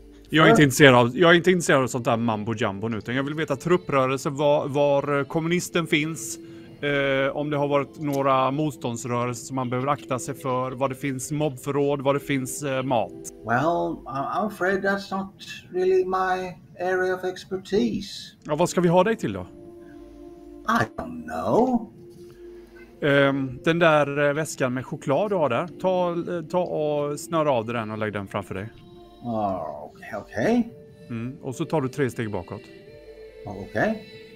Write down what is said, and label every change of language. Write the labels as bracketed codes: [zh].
[sv] jag är inte intresserad av sånt där mambo jumbo nu, utan jag vill veta trupprörelse, var kommunisten finns. Om det har varit några motståndsrörelser som man behöver akta sig för, vad det finns mobbförråd, vad det finns mat. [en] Well, I'm afraid that's not really my area of expertise. [sv] Ja, vad ska vi ha dig till då? [en] I don't know. [sv] Den där väskan med choklad du har där, ta och snöra av den och lägg den framför dig. Okej. Och så tar du 3 steg bakåt. Okej.